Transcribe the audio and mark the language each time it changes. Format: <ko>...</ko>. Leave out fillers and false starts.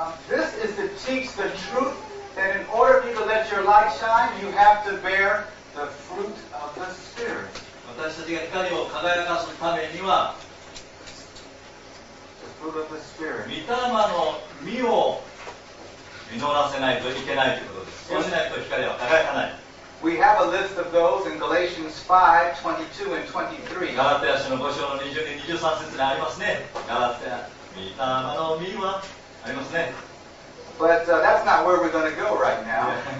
<en>This is to teach the truth that in order for you to let your light shine, you have to bear the fruit of the Spirit.</en> <ja>私たちが光を輝かすためには、</ja> <en>the fruit of the Spirit.</en> <ja>御霊の実を実らせないといけないということです。そうしないと光は輝かない。</ja> <en>We have a list of those in Galatians 5, 22 and 23.</en> <ja>ガラテヤ書の5章の22、23節にありますね。ガラテヤ、御霊の実は、</ja> <en>But that's not where we're going to go right now.</en>